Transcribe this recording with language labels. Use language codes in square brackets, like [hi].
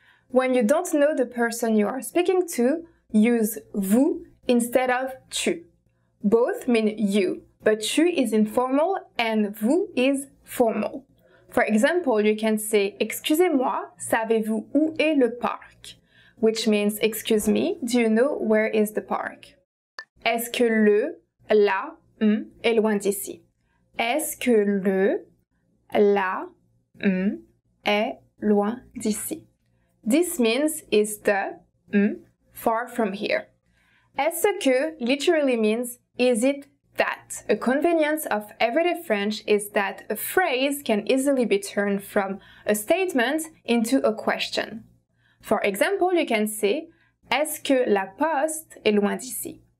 [en] When you don't know the person you are speaking to, use vous instead of tu. Both mean you, but tu is informal and vous is formal. For example, you can say, [fr] excusez-moi, savez-vous où est le parc? [en] Which means, excuse me, do you know where is the park? [fr] Est-ce que le, la, est loin d'ici? Est-ce que le, la, est loin d'ici? [en] This means, is the, far from here? Est-ce que literally means, is it that? A convenience of everyday French is that a phrase can easily be turned from a statement into a question. For example, you can say, [fr] est-ce que la poste est loin d'ici?